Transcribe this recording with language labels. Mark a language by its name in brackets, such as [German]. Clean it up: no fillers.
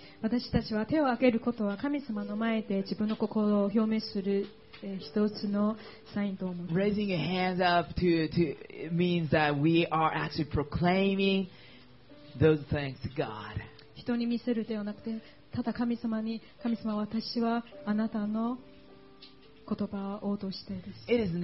[Japanese] 私たちは手を挙げることは神様の前で自分の心を表明する一つのサインと思います。 [English] Raising your hands up to means that we are actually proclaiming those things to God. [Japanese] 人に見せるではなくて、ただ神様に、神様私はあなたの言葉を応答したいです。